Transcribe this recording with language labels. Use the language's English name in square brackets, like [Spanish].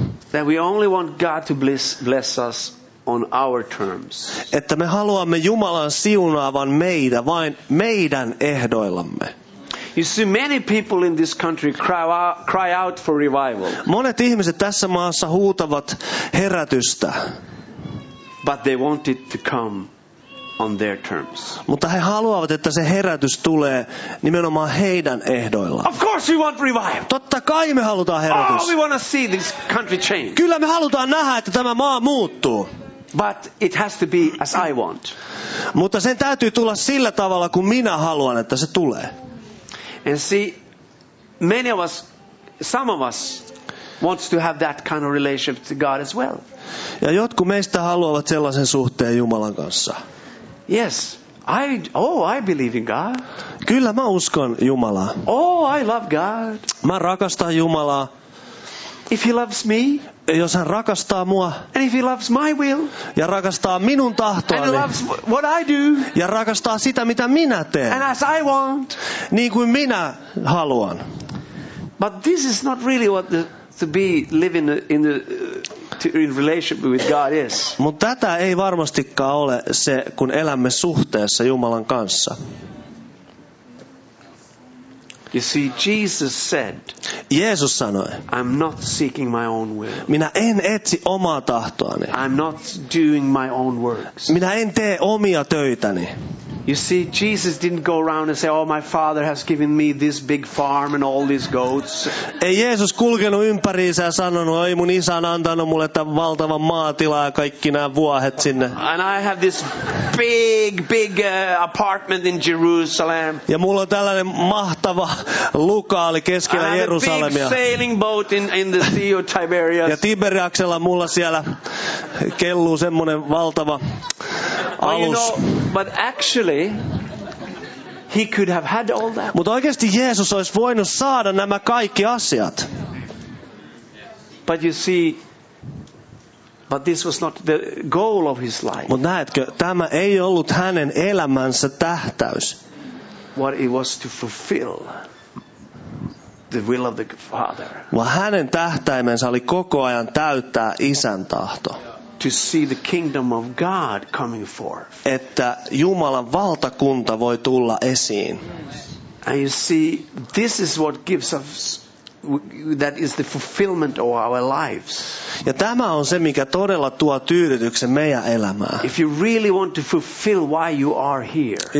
[English] That we only want God to bless us on our terms. [Finnish] Että me haluamme Jumalan siunaavan meitä vain meidän ehdoillamme. [English] You see, many people in this country cry out for revival. [Finnish] Monet ihmiset tässä maassa huutavat herätystä. [English] But they want it to come on their terms. [Finnish] Mutta he haluavat, että se herätys tulee nimenomaan heidän ehdoillaan. [English] Of course we want revival. [Finnish] Totta kai me halutaan herätys. [English] Oh, we want to see this country change. [Finnish] Kyllä me halutaan nähdä, että tämä maa muuttuu. [English] But it has to be as I want. [Finnish] Mutta sen täytyy tulla sillä tavalla, kun minä haluan, että se tulee. [English] And see, many of us, some of us, wants to have that kind of relationship to God as well. [Finnish] Ja jotkut meistä haluavat sellaisen suhteen Jumalan kanssa. [English] Yes, I believe in God. [Finnish] Kyllä mä uskon Jumalaa. [English] Oh, I love God. [Finnish] Mä rakastan Jumalaa. [English] If he loves me. [Finnish] Jos hän rakastaa mua. [English] And if he loves my will. [Finnish] Ja rakastaa minun tahtoani. [English] And he loves what I do. [Finnish] Ja rakastaa sitä mitä minä teen. [English] And as I want. [Finnish] Niin kuin minä haluan. [English] But this is not really what to be living in relationship with God is. [Finnish] Mutta tätä ei varmastikaan ole se, kun elämme suhteessa Jumalan kanssa. [English] You see, Jesus said, [Finnish] Jeesus sanoi, [English] I'm not seeking my own will. [Finnish] Minä en etsi omaa tahtoani. [English] I'm not doing my own works. [Finnish] Minä en tee omia töitäni. [English] You see, Jesus didn't go around and say, oh, my father has given me this big farm and all these goats. [Finnish] Ei Jeesus kulkenut ympäriinsä ja sanonut, oi mun isä on antanut mulle tämän valtavan maatila ja kaikki nämä vuohet sinne. [English] And I have this big apartment in Jerusalem. [Finnish] Ja mulla on tällainen mahtava lukaali keskellä Jerusalemia. [English] I have a big sailing boat in the Sea of Tiberias. [Finnish] Ja Tiberiaksella mulla siellä kelluu semmoinen valtava alus. [English] But actually, he could have had all that. [Finnish] Mutta oikeasti Jeesus olisi voinut saada nämä kaikki asiat. [English] But you see, but this was not the goal of his life. [Finnish] Mutta näetkö, tämä ei ollut hänen elämänsä tähtäys. [English] What it was to fulfill the will of the Father. [Finnish] Vaan hänen tähtäimensä oli koko ajan täyttää isän tahto. [English] To see the kingdom of God coming forth. [Finnish] Että Jumalan valtakunta voi tulla esiin. [English] And you see, this is what gives us, that is the fulfillment of our lives. [Finnish] Ja tämä on se, mikä todella tuo tyydytyksen meidän elämään. [English] If you really want to fulfill why you are here.